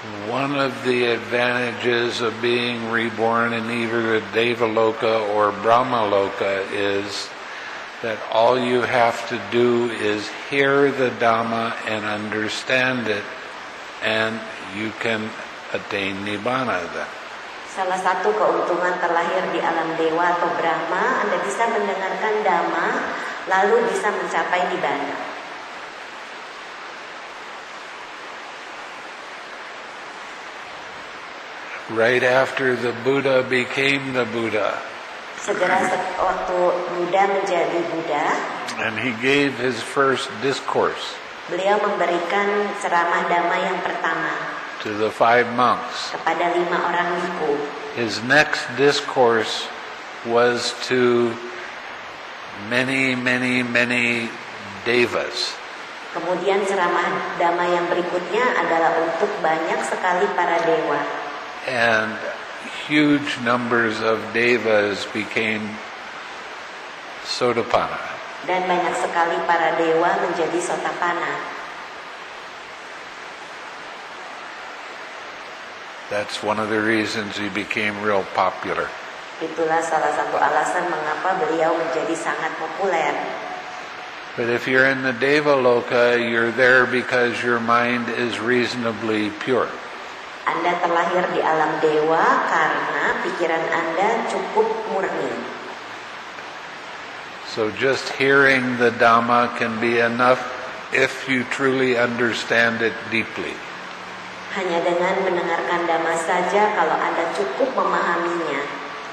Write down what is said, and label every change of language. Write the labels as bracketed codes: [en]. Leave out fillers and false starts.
[en] One of the advantages of being reborn in either a Devaloka or Brahmaloka is that all you have to do is hear the Dhamma and understand it, and you can attain Nibbana then. [id] Salah satu keuntungan terlahir di alam Dewa atau Brahma, Anda bisa mendengarkan Dhamma, lalu bisa mencapai Nibbana. [en] Right after the Buddha became the Buddha. [id] Segera waktu Buddha menjadi Buddha. [en] And he gave his first discourse. [id] Beliau memberikan ceramah dhamma yang pertama. [en] To the five monks. [id] Kepada lima orang biku. [en] His next discourse was to many, many, many devas. [id] Kemudian ceramah dhamma yang berikutnya adalah untuk banyak sekali para dewa. [en] And huge numbers of devas became sotapanna. [id] Dan banyak sekali para dewa menjadi sotapanna. [en] That's one of the reasons he became real popular. [id] Itulah salah satu alasan mengapa beliau menjadi sangat populer. [en] But if you're in the Devaloka, you're there because your mind is reasonably pure. [id] Anda terlahir di alam dewa karena pikiran Anda cukup murni. [en] So just hearing the Dhamma can be enough if you truly understand it deeply. [id] Hanya dengan mendengarkan Dhamma saja kalau Anda cukup memahaminya.